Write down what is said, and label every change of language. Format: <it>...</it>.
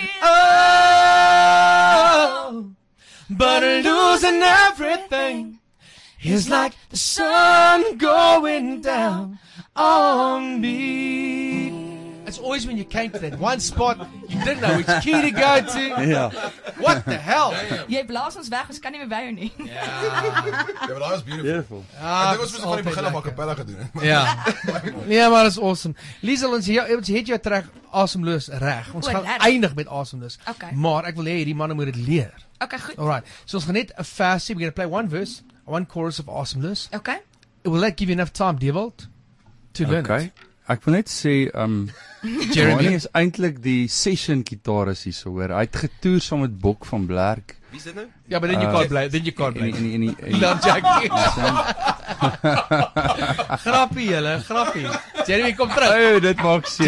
<en>Oh, but losing everything is like the sun going down on me. It's always when you came to that one spot, you didn't know which key to go to. Yeah. What the hell?</en> <af>Jy blaas ons weg, ons kan nie meer by jou nie.</af> <en>Yeah. Yeah, but that was beautiful. Beautiful.</en> <af>Ek dink ons moet van die begin af a cappella gedoen. Yeah. Nee, maar</af> <en>it's awesome.</en> <af>Liesel, ons het jou track Awesomeloos reg. Ons gaan eindig met Awesomeloos.</af> <en>Okay.</en> <af>Maar ek wil hê hierdie manne moet dit leer. Okay, goed.</af> <en>Alright.</en> <af>So ons gaan net</af> <en>a fast scene. We're going to play one verse, one chorus of Awesomeloos. Okay. It will that give you enough time, Dewald, to learn okay. it.</en> <af>Ek wil net sê, Jeremy is eintlik die session gitarist hier, so hoor. Hy het getoer saam met Bok van Blerk. Wie is dit nou? Ja, maar</af> <en>then you can't play. In Jackie.</en> <af>Grappie julle, grappie. Jeremy, kom terug. Ou, dit maak seer.</af>